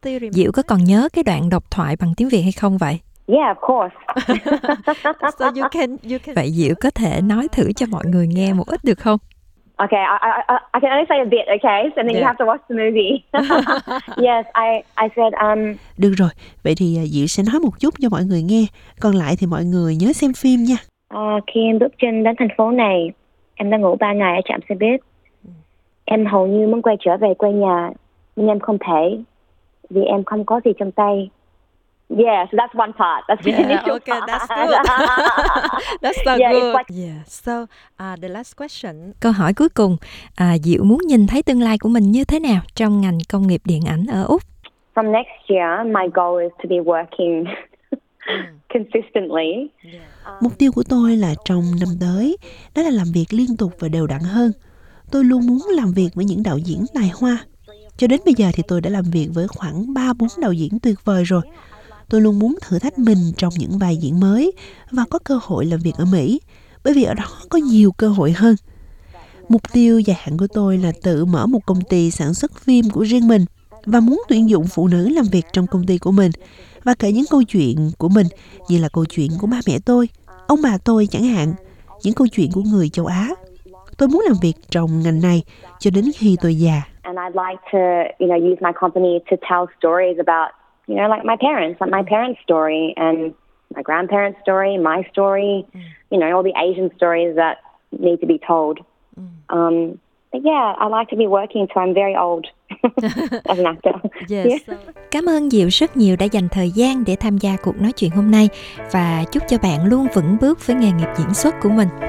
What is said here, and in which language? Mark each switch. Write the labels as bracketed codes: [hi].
[vi] Diệu có còn nhớ cái đoạn độc thoại bằng tiếng Việt hay không vậy? [en] Yeah, of course. So you can. [vi] Vậy Diệu có thể nói thử cho mọi người nghe một ít được không? [en] Okay, I can only say a bit, okay? So then you have to watch the movie. Yes, I said. [vi] Được rồi. Vậy thì Diệu sẽ nói một chút cho mọi người nghe. Còn lại thì mọi người nhớ xem phim nha. Khi em bước chân đến thành phố này, em đã ngủ 3 ngày ở trạm xe buýt. Em hầu như muốn quay trở về quê nhà, nhưng em không thể vì em không có gì trong tay. [en] Yeah, so that's one part. That's the initial okay, part. That's good. That's so good. Like... Yeah. So, the last question. [vi] Câu hỏi cuối cùng, Diệu muốn nhìn thấy tương lai của mình như thế nào trong ngành công nghiệp điện ảnh ở Úc? [en] From next year, my goal is to be working consistently. [vi] Mục tiêu của tôi là trong năm tới, đó là làm việc liên tục và đều đặn hơn. tôi luôn muốn làm việc với những đạo diễn tài hoa. Cho đến bây giờ thì tôi đã làm việc với khoảng 3-4 đạo diễn tuyệt vời rồi. Tôi luôn muốn thử thách mình trong những vai diễn mới và có cơ hội làm việc ở Mỹ, bởi vì ở đó có nhiều cơ hội hơn. Mục tiêu dài hạn của tôi là tự mở một công ty sản xuất phim của riêng mình và muốn tuyển dụng phụ nữ làm việc trong công ty của mình và kể những câu chuyện của mình, như là câu chuyện của ba mẹ tôi, ông bà tôi chẳng hạn, những câu chuyện của người châu Á. Tôi muốn làm việc trong ngành này cho đến khi tôi già. [en] And I'd like to, you know, use my company to tell stories about, you know, like my parents' story and my grandparents' story, my story, you know, all the Asian stories that need to be told. But yeah, I like to be working till I'm very old as an actor. Yes. Yeah. [vi] Cảm ơn Diệu rất nhiều đã dành thời gian để tham gia cuộc nói chuyện hôm nay và chúc cho bạn luôn vững bước với nghề nghiệp diễn xuất của mình.